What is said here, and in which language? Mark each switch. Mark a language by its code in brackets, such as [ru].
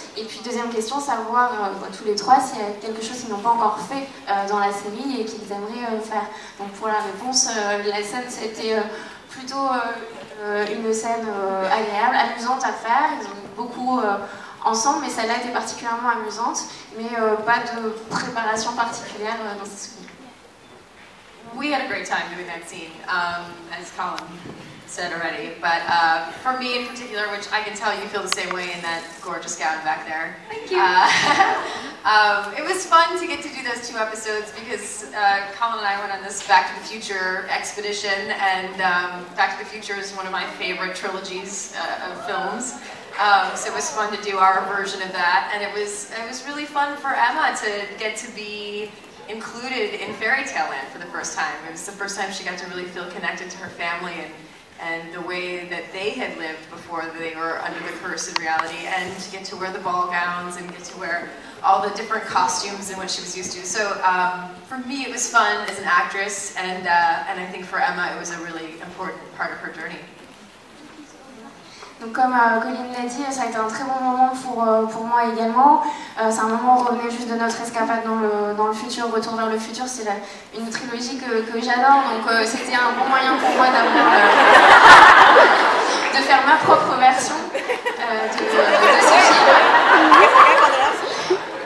[fr] Et puis deuxième question, savoir tous les trois s'il y a quelque chose qu'ils n'ont pas encore fait dans la série et qu'ils aimeraient faire. Donc pour la réponse, la scène c'était plutôt une scène agréable, amusante à faire. Ils ont beaucoup ensemble, mais celle-là était particulièrement amusante, mais pas de préparation particulière dans cette scène. [en] We had a great time doing that scene, as Colin said already, but for me in particular, which I can tell you feel the same way in that gorgeous gown back there. Thank you. it was fun to get to do those two episodes because Colin and I went on this Back to the Future expedition, and Back to the Future is one of my favorite trilogies of films. So it was fun to do our version of that, and it was really fun for Emma to get to be included in Fairy Tale Land for the first time. It was the first time she got to really feel connected to her family and the way that they had lived before they were under the curse of reality, and to get to wear the ball gowns and get to wear all the different costumes and what she was used to. So for me it was fun as an actress, and I think for Emma it was a really important part of her journey. [fr] Donc comme Colin l'a dit, ça a été un très bon moment pour moi également. C'est un moment où on revenait juste de notre escapade dans le futur, retour vers le futur. C'est une trilogie que j'adore, donc c'était un bon moyen pour moi d'avoir de faire ma propre version de ce film.